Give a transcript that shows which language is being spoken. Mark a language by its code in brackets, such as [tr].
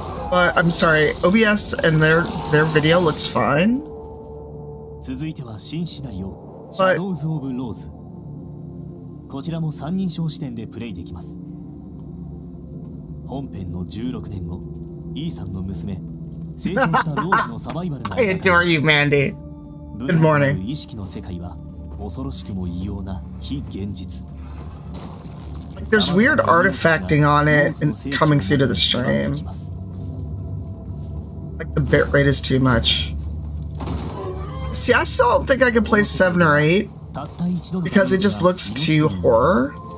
[en] But I'm sorry, OBS and their video looks fine. [ja] 続いては新シナリオ、シャドウズ・オブ・ローズ。こちらも三人称視点でプレイできます。本編の16年後、イーサンの娘、成長したローズのサバイバルの中で、 [en] I adore you, Mandy. Good morning. [ja] 意識の世界は恐ろしくも異様な非現実。 [en] There's weird artifacting on it and coming through to the stream. Like the bit rate is too much. See, I still don't think I can play 7 or 8 because it just looks too horror.